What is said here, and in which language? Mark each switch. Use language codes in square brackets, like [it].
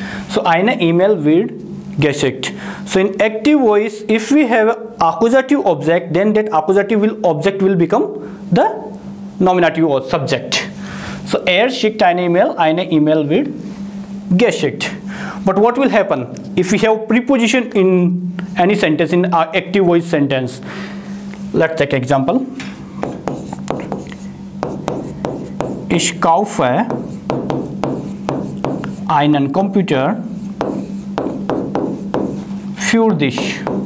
[de] So eine E-Mail wird geschickt. [en] So in active voice, if we have accusative object, then that accusative will object will become the nominative or subject. [de] So air schickt eine email, eine email wird geschickt. [en] But what will happen if we have preposition in any sentence, in our active voice sentence? Let's take example. [de] Ich kaufe einen Computer für dich.